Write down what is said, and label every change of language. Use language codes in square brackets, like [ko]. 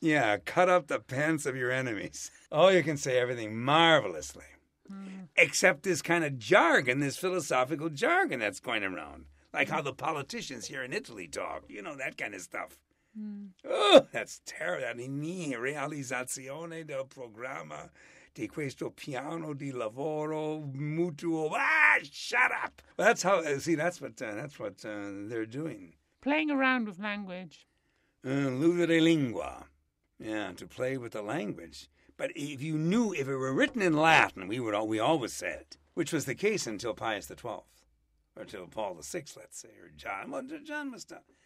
[en] Yeah, cut up the pants of your enemies. Oh, you can say everything marvelously. Mm. Except this kind of jargon, this philosophical jargon that's going around. Like how the politicians here in Italy talk. You know, that kind of stuff. Mm. Oh, that's terrible. [it] I mean, realizzazione del programma di questo piano di lavoro mutuo. [en] Ah, shut up. That's how, see, that's what they're doing. Playing around with language. [la] Ludere lingua. [en] Yeah, to play with the language. But if it were written in Latin, we always say it, which was the case until Pius XII, or until Paul VI, let's say, or John. Well, John was done.